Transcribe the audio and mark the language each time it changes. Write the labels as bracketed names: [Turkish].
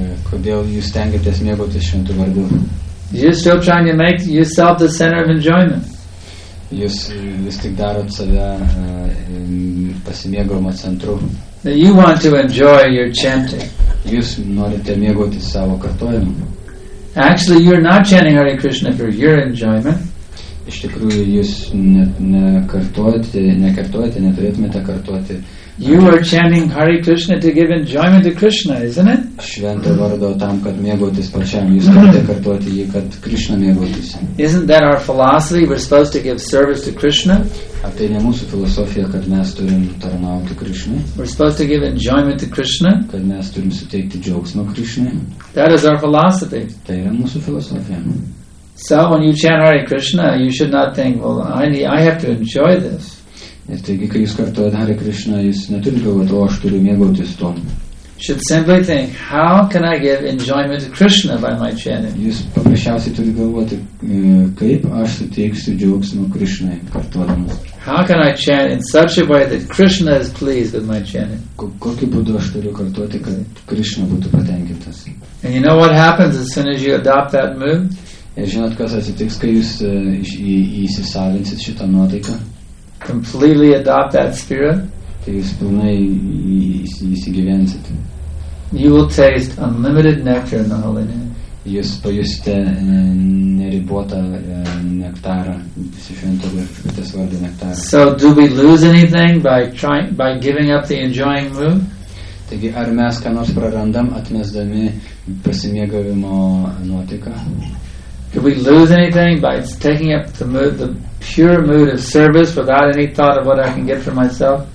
[Lithuanian] Kodėl jūs stengiatės mėgautis šventu vardu? [English] You're still trying to make yourself the center of enjoyment. [Lithuanian] Jūs vis tik darot save pasimėgavimo centru. [English] You want to enjoy your chanting. [Lithuanian] Jūs norite mėgautis savo kartojimu. [English] Actually, you're not chanting Hare Krishna for your enjoyment. [Lithuanian] Iš tikrųjų, jūs nekartojate, neturėtumėte kartoti. [English] You are chanting Hare Krishna to give enjoyment to Krishna, isn't it? [Lithuanian] Švento vardo tam, kad mėgautis pačiam. Jūs turite kartuoti jį, kad Krishna mėgautis. [English] Isn't that our philosophy? We're supposed to give service to Krishna. [Lithuanian] Ar tai ne mūsų filosofija, kad mes turim tarnauti Krishna? [English] We're supposed to give enjoyment to Krishna. [Lithuanian] Kad mes turim suteikti džiaugsmą Krishna. [English] That is our philosophy. [Lithuanian] Tai yra mūsų filosofija. [English] So when you chant Hare Krishna, you should not think, well, I have to enjoy this. [Lithuanian] Ir taigi, kai jūs kartuojate Hare Krishna, jūs neturite galvoti, o aš turiu mėgautis tom. [English] Should simply think, how can I give enjoyment to Krishna by my chanting? [Lithuanian] Jūs paprasčiausiai turite galvoti, kaip aš suteiksiu džiaugsmą Krishnai kartuodamas. [English] How can I chant in such a way that Krishna is pleased with my chanting? [Lithuanian] Kokiu būdu aš turiu kartuoti, kad Krishna būtų patenkintas? [English] And you know what happens as soon as you adopt that mood? [Lithuanian] Ir žinot, kas atsitiks, kai jūs įsisavinsit šitą nuotaiką? [English] Completely adopt that spirit. [Lithuanian] Tai jūs pilnai įsigyvensit. [English] You will taste unlimited nectar in the holy name. [Lithuanian] Jūs pajusite neribotą nektarą, šventas vardo nektarą. [English] So do we lose anything by giving up the enjoying mood? [Lithuanian] Taigi, ar mes ką nors prarandam, atmesdami pasimėgavimo nuotaiką? [English] Could we lose anything by taking up the pure mood of service without any thought of what I can get for myself?